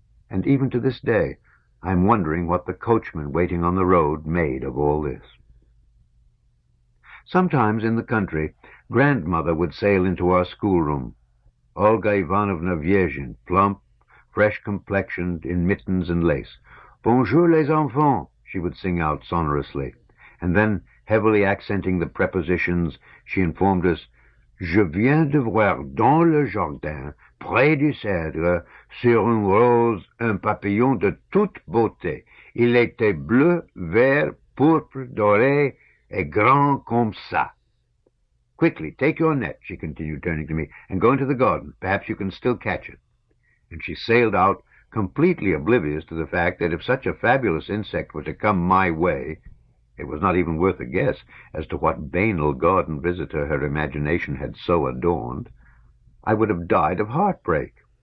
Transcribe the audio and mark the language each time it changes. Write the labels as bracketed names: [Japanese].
[English] And even to this day, I'm wondering what the coachman waiting on the road made of all this. Sometimes in the country, grandmother would sail into our schoolroom. Olga Ivanovna Vyazhin, plump, fresh-complexioned, in mittens and lace. [French] "Bonjour, les enfants," [English] she would sing out sonorously. And then, heavily accenting the prepositions, she informed us, [French] "Je viens de voir dans le jardin, près du cèdre, sur une rose, un papillon de toute beauté. Il était bleu, vert, pourpre, doré, et grand comme ça." [English] "Quickly, take your net," she continued, turning to me, "and go into the garden. Perhaps you can still catch it." And she sailed out, completely oblivious to the fact that if such a fabulous insect were to come my way, it was not even worth a guess as to what banal garden visitor her imagination had so adorned, I would have died of heartbreak.